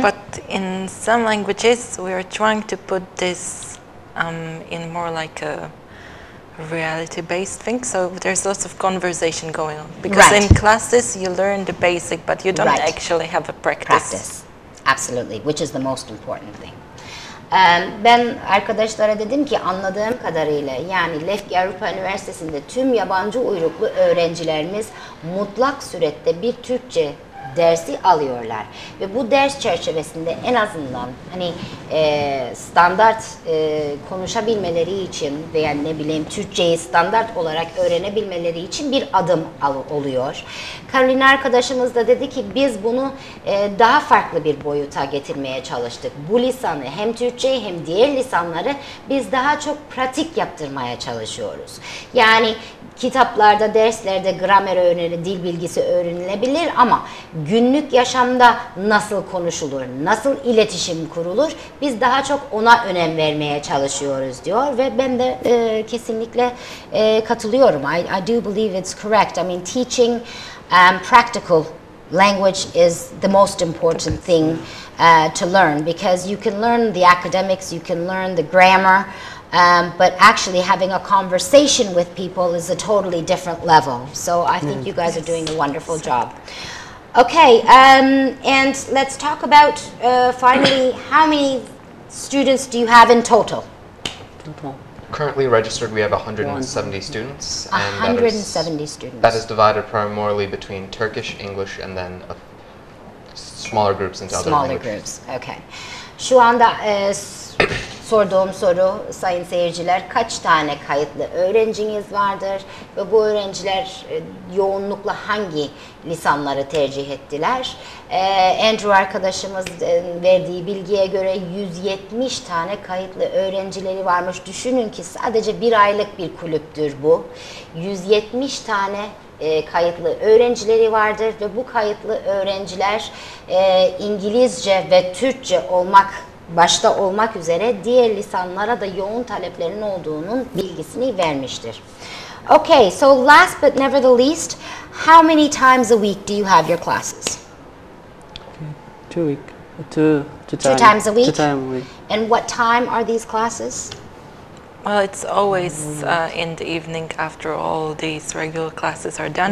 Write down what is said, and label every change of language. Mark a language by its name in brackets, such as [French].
[English] But in some languages, we are trying to put this in more like a reality-based thing, so there's lots of conversation going on. Because right. in classes, you learn the basic, but you don't right. actually have a practice. Absolutely, which is the most important thing. [Turkish] Ben arkadaşlara dedim ki anladığım kadarıyla yani Lefke Avrupa Üniversitesi'nde tüm yabancı uyruklu öğrencilerimiz mutlak surette bir Türkçe dersi alıyorlar ve bu ders çerçevesinde en azından hani standart konuşabilmeleri için veya ne bileyim Türkçeyi standart olarak öğrenebilmeleri için bir adım oluyor. Karolina arkadaşımız da dedi ki biz bunu daha farklı bir boyuta getirmeye çalıştık. Bu lisanı hem Türkçeyi hem diğer lisanları biz daha çok pratik yaptırmaya çalışıyoruz. Yani kitaplarda, derslerde gramer öğrenilir, dil bilgisi öğrenilebilir ama günlük yaşamda nasıl konuşulur, nasıl iletişim kurulur, biz daha çok ona önem vermeye çalışıyoruz diyor ve ben de kesinlikle katılıyorum. [English] I do believe it's correct. I mean, teaching practical language is the most important thing to learn because you can learn the academics, you can learn the grammar, but actually having a conversation with people is a totally different level. So I think you guys are doing a wonderful job. Okay, and let's talk about, finally, how many students do you have in total? Currently registered, we have 170 students. 170 students. That is divided primarily between Turkish, English, and then smaller groups into other languages. Smaller groups, okay. [Turkish] Şu anda sorduğum soru, sayın seyirciler, kaç tane kayıtlı öğrenciniz vardır ve bu öğrenciler yoğunlukla hangi lisanları tercih ettiler? Andrew arkadaşımız verdiği bilgiye göre 170 tane kayıtlı öğrencileri varmış. Düşünün ki sadece bir aylık bir kulüptür bu. 170 tane kayıtlı öğrencileri vardır ve bu kayıtlı öğrenciler İngilizce ve Türkçe olmak başta olmak üzere diğer lisanlara da yoğun taleplerin olduğunun bilgisini vermiştir. [English] Okay, so last but never the least, how many times a week do you have your classes? Two times a week. And what time are these classes? Well, it's always in the evening after all these regular classes are done.